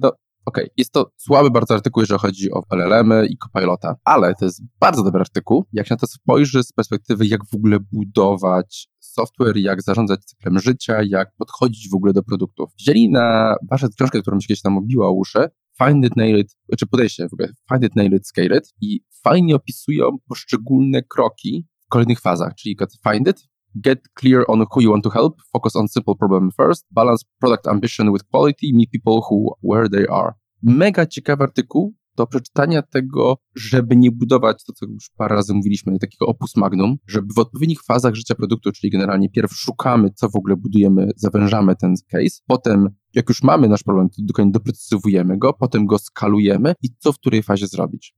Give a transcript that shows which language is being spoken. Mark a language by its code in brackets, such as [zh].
[pl] No, okej, okay. Jest to słaby bardzo artykuł, jeżeli chodzi o LLM-y i Copilota, ale to jest bardzo dobry artykuł, jak się na to spojrzy z perspektywy, jak w ogóle budować software, jak zarządzać cyklem życia, jak podchodzić w ogóle do produktów. Wzięli na wasze książkę, którą się kiedyś tam obiła o uszy, [en] Find it, nail it, [pl] czy podejście w ogóle, [en] Find it, nail it, scale it [pl] i fajnie opisują poszczególne kroki w kolejnych fazach, czyli [en] find it, Get clear on who you want to help. Focus on simple problem first. Balance product ambition with quality. Meet people who where they are. [pl] Mega ciekawy artykuł do przeczytania tego, żeby nie budować to, co już parę razy mówiliśmy, takiego opus magnum, żeby w odpowiednich fazach życia produktu, czyli generalnie pierw szukamy, co w ogóle budujemy, zawężamy ten case, potem jak już mamy nasz problem, to dokładnie doprecyzowujemy go, potem go skalujemy i co w której fazie zrobić.